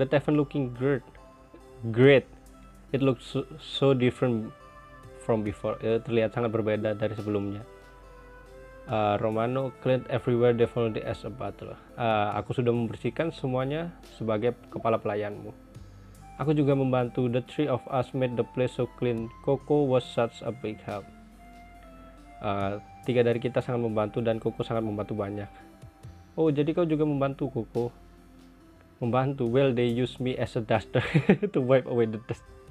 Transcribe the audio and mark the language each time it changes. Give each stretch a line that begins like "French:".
English: The tavern looking great. Great. It looks so different from before. It
Indonesian: terlihat sangat berbeda dari sebelumnya.
English: Romano cleaned everywhere definitely as a butler.
Indonesian: Aku sudah membersihkan semuanya sebagai kepala pelayanmu. Aku juga membantu.
English: The three of us made the place so clean. Coco was such a big help.
Indonesian: Tiga dari kita sangat membantu dan Coco sangat membantu banyak. Oh, jadi kau juga membantu Coco. Membantu.
English: Well, they use me as a duster to wipe away the dust.